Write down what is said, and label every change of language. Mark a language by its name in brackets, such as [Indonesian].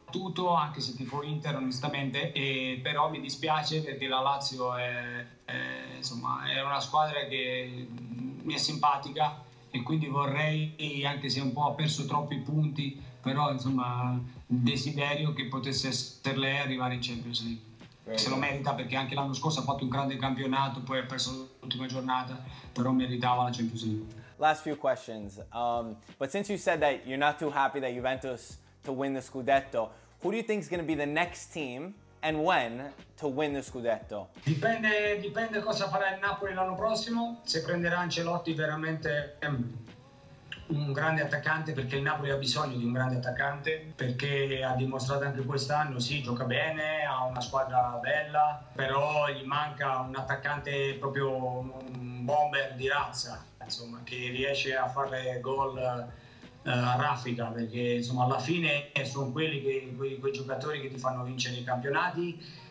[Italian] Tutto, anche se tifo Inter, onestamente, e però mi dispiace perché la Lazio insomma, è una squadra che mi è simpatica e quindi vorrei, anche se un po' ha perso troppi punti, però insomma, desiderio che potesse essere lei arrivare in Champions League. Se lo [English] Very [Italian] merita perché anche l'anno scorso ha fatto un grande campionato, poi ha perso l'ultima giornata, però meritava la Champions League. [English] good. Last few questions. But since you said that you're not too happy that Juventus to win the Scudetto, who do you think is going to be the next team and when to win the Scudetto? [Italian] Dipende cosa farà il Napoli l'anno prossimo, se prenderà Ancelotti veramente un grande attaccante, perché il Napoli ha bisogno di un grande attaccante, perché ha dimostrato anche quest'anno, sì, gioca bene, ha una squadra bella, però gli manca un attaccante proprio un bomber di razza, insomma, che riesce a fare gol a raffica, perché insomma alla fine sono quei giocatori che ti fanno vincere i campionati.